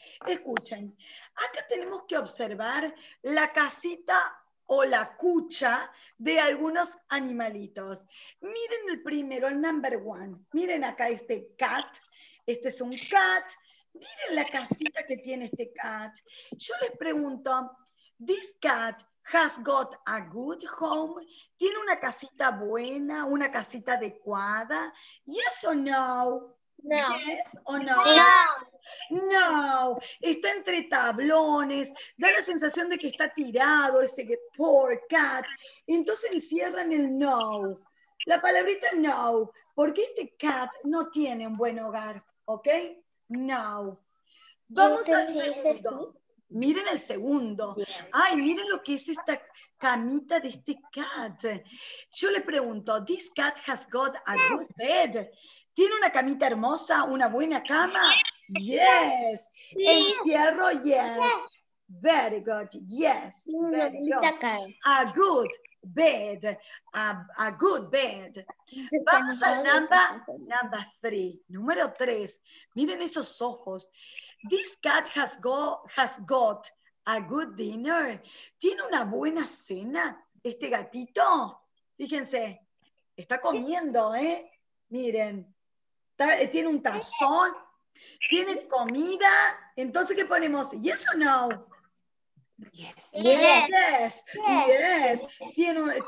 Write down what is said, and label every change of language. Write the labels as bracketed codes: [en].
[es] Escuchen, acá tenemos que observar la casita o la cucha de algunos animalitos. Miren el primero, el [en] number one. [es] Miren acá este cat. Este es un cat. Miren la casita que tiene este cat. Yo les pregunto, [en] this cat has got a good home. [es] ¿Tiene una casita buena? ¿Una casita adecuada? [en] ¿Yes or no? No. ¿Yes or no? No. [es] No. Está entre tablones. Da la sensación de que está tirado ese [en] poor cat. [es] Entonces encierran el no. La palabrita no. Porque este cat no tiene un buen hogar. ¿Ok? No. Vamos al segundo. Miren el segundo. Bien. Ay, miren lo que es esta camita de este cat. Yo le pregunto, [en] this cat has got a good bed. [es] ¿Tiene una camita hermosa, una buena cama? [en] Yes. [es] Encierro, [en] yes. Very good, yes. Very good. A good bed, a good bed. [es] Vamos al [en] number three, [es] número tres. Miren esos ojos. [en] This cat has got a good dinner. [es] ¿Tiene una buena cena este gatito? Fíjense, está comiendo, Miren, tiene un tazón, tiene comida. Entonces, ¿qué ponemos? [en] Yes or no? Yes. Yes. Yes. Yes. Yes. Yes.